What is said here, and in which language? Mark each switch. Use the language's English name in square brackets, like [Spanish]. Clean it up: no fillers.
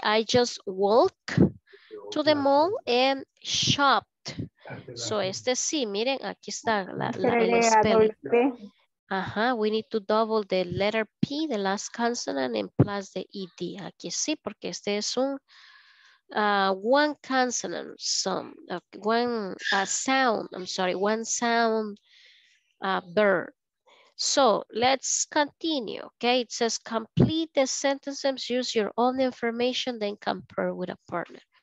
[English] I just walk to the mall and shopped. [Spanish] So este sí, miren, aquí está el spelling. [English] We need to double the letter P, the last consonant, and plus the ED. [Spanish] Aquí sí, porque este es un [English] one consonant, one sound verb. So let's continue, okay? It says complete the sentences, use your own information, then compare with a partner.